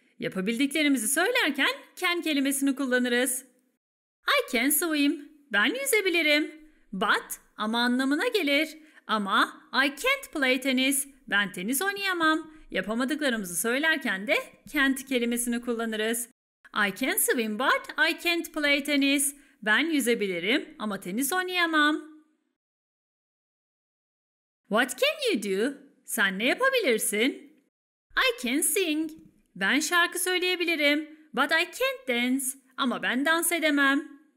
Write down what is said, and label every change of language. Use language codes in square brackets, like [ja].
[tr] Yapabildiklerimizi söylerken can kelimesini kullanırız. [en] I can swim. [tr] Ben yüzebilirim. But ama anlamına gelir. Ama [en] I can't play tennis. [tr] Ben tenis oynayamam. Yapamadıklarımızı söylerken de can't kelimesini kullanırız. [en] I can swim but I can't play tennis. [tr] Ben yüzebilirim ama tenis oynayamam. [en] What can you do? [tr] Sen ne yapabilirsin? [en] I can sing. [tr] Ben şarkı söyleyebilirim. [en] But I can't dance. [tr] Ama ben dans edemem.